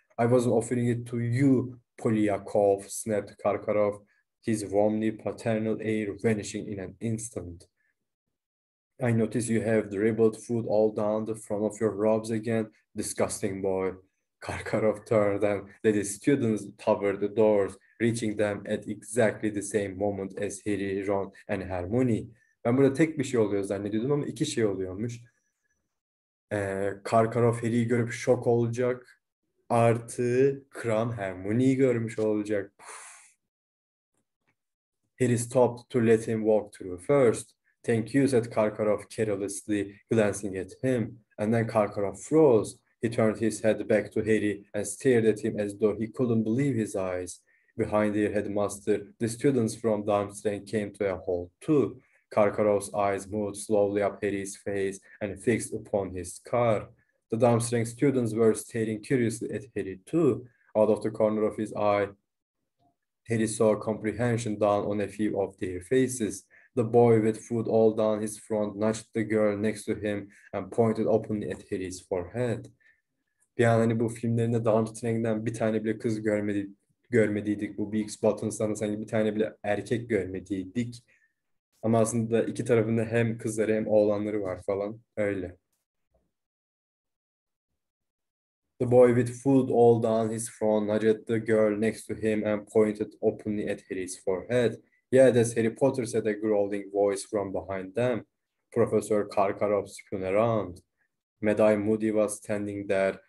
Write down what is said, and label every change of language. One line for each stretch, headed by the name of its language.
English: I wasn't offering it to you, Polyakov, snapped Karkaroff, his warmly paternal air vanishing in an instant. I notice you have dribbled food all down the front of your robes again. Disgusting boy. Karkaroff turned and let his students cover the doors, reaching them at exactly the same moment as Harry, Ron and Hermione.
Turkish: Ben burada tek bir şey oluyor zannediyordum ama iki şey oluyormuş. Karkaroff Harry'i görüp şok olacak. Artı Kram Hermione'yi görmüş olacak.
English: Harry stopped to let him walk through first. Thank you, said Karkaroff carelessly, glancing at him. And then Karkaroff froze. He turned his head back to Harry and stared at him as though he couldn't believe his eyes. Behind their headmaster, the students from Darmstrang came to a halt too. Karkaroff's eyes moved slowly up Harry's face and fixed upon his scar. The Darmstrang students were staring curiously at Harry too. Out of the corner of his eye, Harry saw comprehension down on a few of their faces. The boy with food all down his front nudged the girl next to him and pointed openly at Harry's forehead.
Turkish: Bir an hani bu filmlerinde Darmstrang'den bir tane bile kız görmediydik. Bu Beaks Buttons'dan sanki bir tane bile erkek görmediydik. Ama aslında iki tarafında hem kızları hem oğlanları var falan. Öyle.
English: The boy with food all down his front nudged the girl next to him and pointed openly at Harry's forehead. Yeah, that's Harry Potter, said a growling voice from behind them. Professor Karkaroff spun around. Mad-Eye Moody was standing there,